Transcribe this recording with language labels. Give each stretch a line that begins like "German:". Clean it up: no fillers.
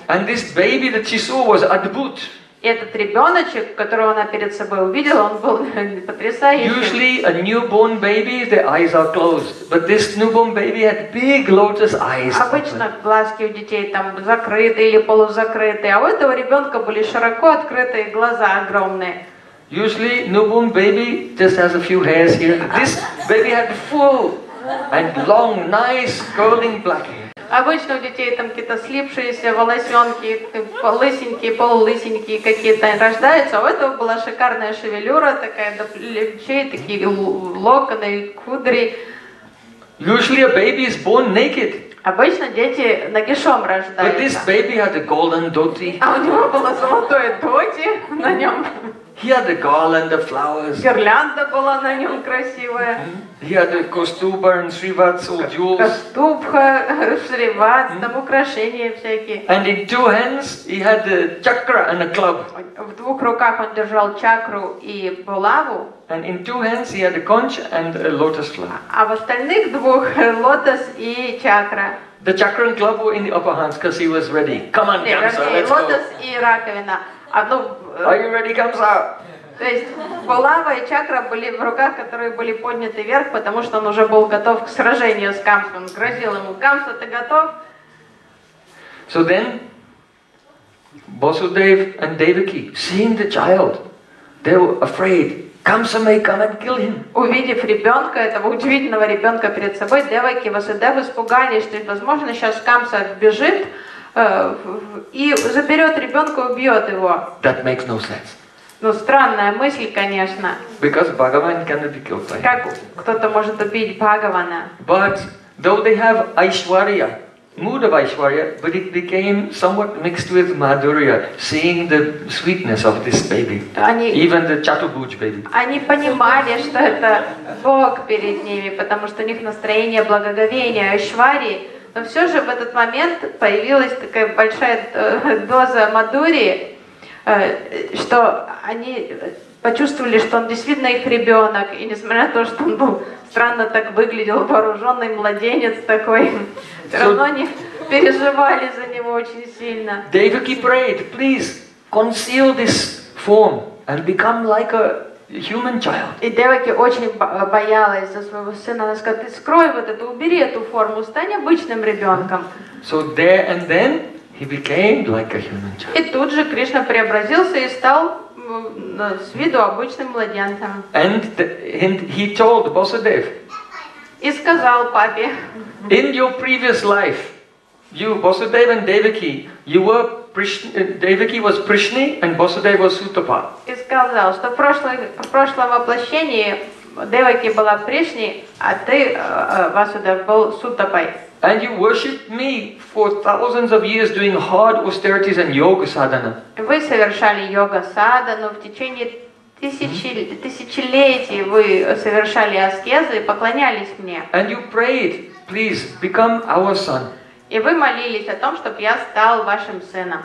English: And this baby that she saw was adbhut.
Russian: И этот ребеночек, которого она перед собой увидела, он был потрясающим.
English: Usually a newborn baby, the eyes are closed. But this newborn baby had big lotus eyes.
Russian: Обычно глазки у детей там закрыты или полузакрыты. А у этого ребенка были широко открытые глаза огромные.
English: Usually, newborn baby just has a few hairs here. This baby had full and long, nice, curling black hair.
Russian: Обычно у детей там какие-то слипшиеся волосенки, лысенькие, полулысенькие какие-то рождаются. У этого была шикарная шевелюра такая, до плечей, такие локоны, кудри.
English: Usually, a baby is born naked.
Russian: Обычно дети нагишом рождаются.
English: But this baby had a golden dhoti.
Russian: А у него было золотое dhoti на нем.
English: He had a garland of flowers.
Russian: Гирлянда была на нем красивая.
English: He had a kostubha and srivats, all jewels.
Russian: Костубха, шриват, там украшения всякие.
English: And in two hands he had a chakra and a club.
Russian: В двух руках он держал чакру и булаву.
English: And in two hands he had a conch and a lotus flower.
Russian: А в остальных двух лотос и чакра.
English: The chakra and club were in the upper hands because he was ready. Come on, Kamsa, let's go.
Russian: Лотос и раковина.
English: Are you ready, Kamsa?
Russian: То есть булава и чакра были в руках, которые были подняты вверх, потому что он уже был готов к сражению с Камсой. Он грозил ему: Камса, ты готов?
English: So then, Vasudev and Devaki, seeing the child, they were afraid. Kamsa may come and kill him.
Russian: Увидев ребенка, этого удивительного ребенка перед собой, Деваки и Васудев испугались, что, возможно, сейчас Камса бежит и заберет ребенка и убьет его.
English: That makes no sense.
Russian: Ну, странная мысль, конечно.
English: Because Bhagavan cannot be killed by him.
Russian: Как кто-то может убить Бхагавана?
English: But though they have Aishwarya, mood of Aishwarya, but it became somewhat mixed with Madhurya, seeing the sweetness of this baby, even the Chatubhuj baby.
Russian: Они понимали, что это Бог перед ними, потому что у них настроение благоговения, Айшвари. Но все же в этот момент появилась такая большая доза Мадхурии, что они почувствовали, что он действительно их ребенок, и несмотря на то, что он был странно так выглядел, вооруженный младенец такой, все равно они переживали за него очень сильно.
English: Devaki prayed, please conceal this form and become like a human child.
Russian: И Деваки очень боялась за своего сына. Она сказала, ты скрой вот это, убери эту форму, стань обычным ребенком.
English: So there and then he became like a human child.
Russian: И тут же Кришна преобразился и стал с виду обычным младенцем.
English: And he told Vasudev.
Russian: И сказал папе.
English: In your previous life, you, Vasudev and Devaki, you were Devaki was Prishni and Vasudev was Sutapa.
Russian: И сказал, что в прошлом воплощении Деваки была Пришни, а ты, Васудев, был Сутапой.
English: And you worshipped me for thousands of years doing hard austerities and yoga sadhana.
Russian: Вы совершали йога садхану в течение тысячелетий вы совершали аскезы и поклонялись мне.
English: And you prayed, please become our son.
Russian: И вы молились о том, чтобы я стал вашим сыном.